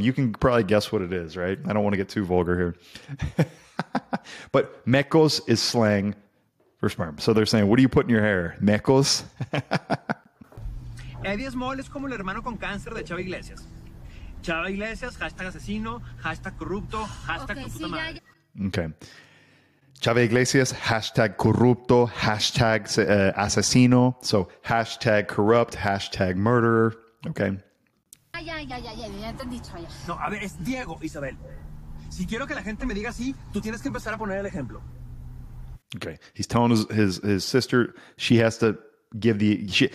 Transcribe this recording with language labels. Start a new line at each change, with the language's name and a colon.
English: You can probably guess what it is, right? I don't want to get too vulgar here. But mecos is slang for sperm. So they're saying, what do you put in your hair?
Spanish: Mecos? Eddie Small es como el hermano con cáncer de Chava Iglesias. Chava Iglesias, hashtag asesino, hashtag corrupto, hashtag okay, tu puta madre. Okay. Chava Iglesias, hashtag corrupto, hashtag asesino.
English: So, hashtag corrupt, hashtag murderer. Okay.
Spanish: Ya entendí, Chava. No, a ver, es Diego, Isabel. Si quiero que la gente me diga así, tú tienes que empezar a poner el ejemplo.
English: Okay. He's telling his sister she has to give the...